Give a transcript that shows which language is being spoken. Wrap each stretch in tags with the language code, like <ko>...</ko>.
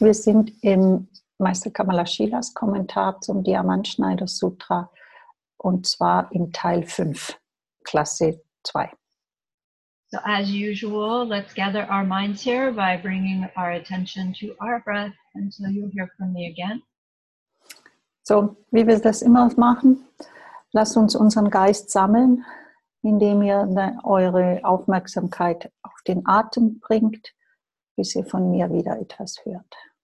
<de>Wir sind im Meister Kamala Shilas Kommentar zum Diamantschneider Sutra und zwar im Teil 5, Klasse 2.</de> <en>So as usual, let's gather our minds here by bringing our attention to our breath until you hear from me again.</en> <de>So, wie wir das immer machen, lasst uns unseren Geist sammeln, indem ihr eure Aufmerksamkeit auf den Atem bringt, bis ihr von mir wieder etwas hört.</de>